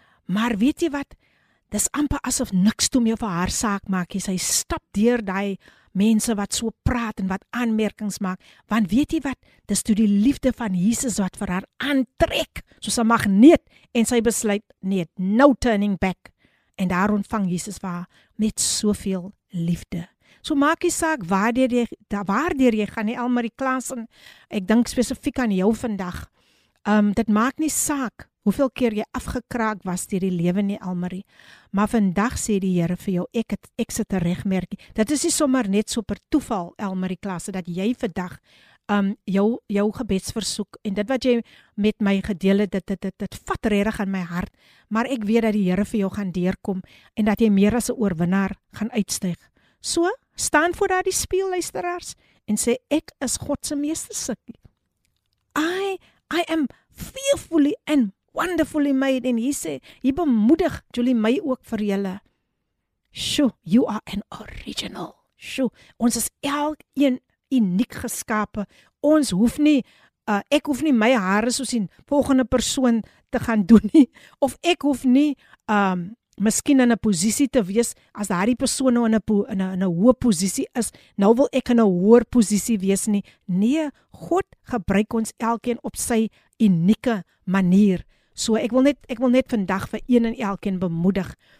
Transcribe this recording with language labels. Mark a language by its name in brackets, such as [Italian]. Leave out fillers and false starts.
[Afrikaans] Maar weet jy wat? Dis amper asof niks toe meer vir haar saak maak. Sy stap deur daai mense wat so praat en wat aanmerkings maak. Want weet jy wat? Dis toe die liefde van Jesus wat vir haar aantrek, soos 'n magneet. En sy besluit, nee, [English] no turning back. [Afrikaans] En daar ontvang Jesus haar met soveel liefde. So maak die saak waardeer jy gaan nie, Elmer die klas. En ek dink spesifiek aan jou vandag. Dit maak nie saak hoeveel keer jy afgekraak was deur die lewe nie, Almarie. Maar vandag sê die Here vir jou, ek sit 'n regmerkie. Dit is nie sommer net so per toeval, Almarie klasse, dat jy vandag jou gebedsversoek en dit wat jy met my gedeel het, dit vat regtig aan my hart. Maar ek weet dat die Here vir jou gaan deurkom en dat jy meer as 'n oorwinnaar gaan uitstyg. So, staan voor daardie spieël, luisteraars, en sê ek is God se meestersukkie. [English] I am fearfully and wonderfully made. [Afrikaans] En hy bemoedig Julie my ook vir julle. [English] Sjoe, you are an original. [Afrikaans] Sjoe, ons is elkeen uniek geskape. Ons hoef nie, ek hoef nie my hare soos die volgende persoon te gaan doen nie. Of ek hoef nie miskien in 'n posisie te wees as daardie persoon nou in 'n hoë posisie is, nou wil ek in 'n hoër posisie wees nie. Nee, God gebruik ons elkeen op sy unieke manier. So ek wil net vandag vir een en elkeen bemoedig.